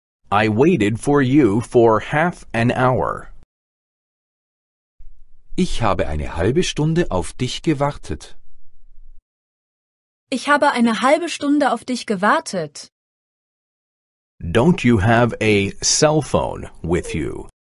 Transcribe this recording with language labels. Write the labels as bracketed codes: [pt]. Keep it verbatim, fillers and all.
[en] I waited for you for half an hour. [de] Ich habe eine halbe Stunde auf dich gewartet. Ich habe eine halbe Stunde auf dich gewartet. [en] Don't you have a cell phone with you?